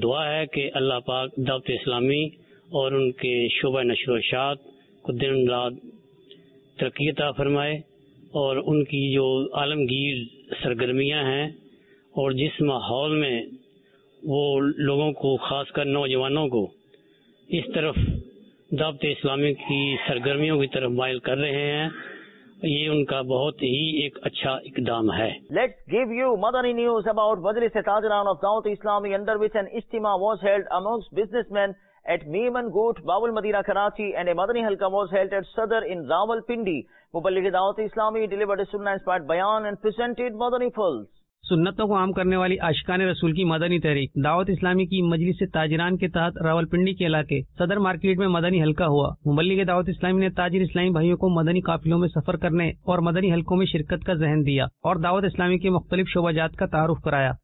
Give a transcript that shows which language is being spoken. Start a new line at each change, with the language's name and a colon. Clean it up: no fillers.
Urdu: دعا ہے کہ اللہ پاک دعوت اسلامی اور ان کے شعبہ نشر و اشاعت کو دن رات ترقی عطا فرمائے اور ان کی جو عالمگیر سرگرمیاں ہیں اور جس ماحول میں وہ لوگوں کو خاص کر نوجوانوں کو اس طرف دعوت اسلامی کی سرگرمیوں کی طرف مائل کر رہے ہیں یہ ان کا بہت ہی ایک اچھا اقدام ہے.
English: Let's give you Madani news about Majlis-e Tajran of Dawat Islami under which an ijtima was held amongst businessmen at Meeman Goot, Babul Madina, Karachi and a Madani halqa was held at Sadar in Rawalpindi. Muballigh-e Dawat Islami delivered a sunnah inspired bayan and presented Madani pulse.
Urdu: سنتوں کو عام کرنے والی عاشقان رسول کی مدنی تحریک دعوت اسلامی کی مجلس تاجران کے تحت راولپنڈی کے علاقے صدر مارکیٹ میں مدنی حلقہ ہوا. مبلغ دعوت اسلامی نے تاجر اسلامی بھائیوں کو مدنی قافلوں میں سفر کرنے اور مدنی حلقوں میں شرکت کا ذہن دیا اور دعوت اسلامی کے مختلف شعبہ جات کا تعارف کرایا.